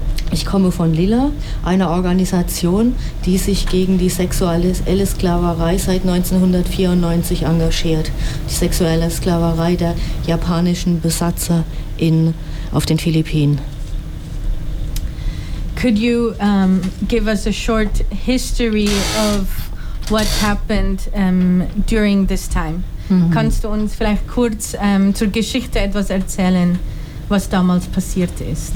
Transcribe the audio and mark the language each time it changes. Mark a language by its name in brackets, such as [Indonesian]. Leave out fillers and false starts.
[German] Ich komme von Lila, einer Organisation, die sich gegen die sexuelle Sklaverei seit 1994 engagiert. Die sexuelle Sklaverei der japanischen Besatzer auf den Philippinen. [English] Could you give us a short history of what happened during this time? Mhm. [German] Kannst du uns vielleicht kurz zur Geschichte etwas erzählen, was damals passiert ist?